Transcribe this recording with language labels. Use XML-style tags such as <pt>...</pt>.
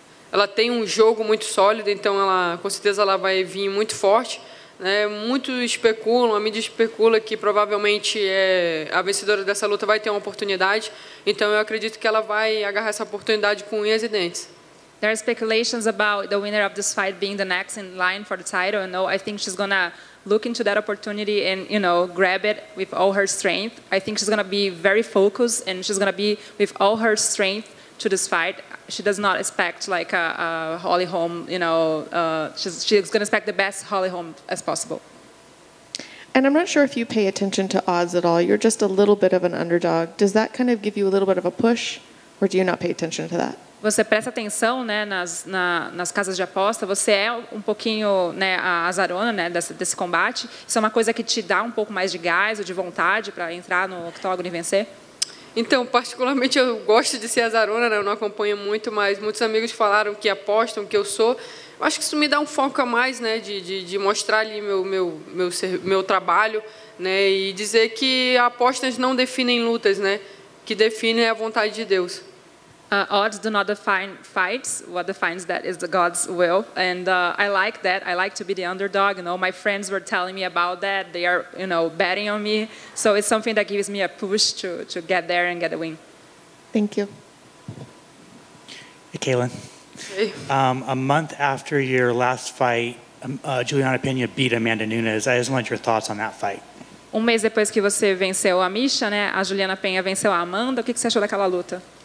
<pt>Ela tem jogo muito sólido, então ela, com certeza, ela vai vir muito forte. Muitos especulam, a mídia especula que provavelmente a vencedora dessa luta vai ter uma oportunidade. Então eu acredito que ela vai agarrar essa oportunidade com unhas e dentes.</pt> <en>There are speculations about the winner of this fight being the next in line for the title. No, I think she's gonna look into that opportunity and, you know, grab it with all her strength. I think she's gonna be very focused and she's gonna be with all her strength to this fight. She does not expect like a Holly Holm, you know, she's going to expect the best Holly Holm as possible. And I'm not sure if you pay attention to odds at all. You're just a little bit of an underdog. Does that kind of give you a little bit of a push, or do you not pay attention to that?</en> <pt>Você presta atenção, né, nas casas de aposta. Você é um pouquinho, né, a azarona, né, desse combate. Isso é uma coisa que te dá um pouco mais de gás ou de vontade para entrar no octógono e vencer? Então, particularmente, eu gosto de ser azarona, né? Eu não acompanho muito, mas muitos amigos falaram que apostam, que eu sou. Eu acho que isso me dá um foco a mais, né? De mostrar ali meu trabalho, né? E dizer que apostas não definem lutas, né? Que definem a vontade de Deus.</pt> <en>Odds do not define fights. What defines that is the God's will. And I like that. I like to be the underdog. You know, my friends were telling me about that. They are, you know, betting on me. So it's something that gives me a push to get there and get a win. Thank you. Hey, Kaylin. Hey. A month after your last fight, Juliana Pena beat Amanda Nunes. I just want your thoughts on that fight.</en> <pt>Um mês depois que você venceu a Misha, né? A Juliana Pena venceu a Amanda. O que você achou daquela luta?</pt>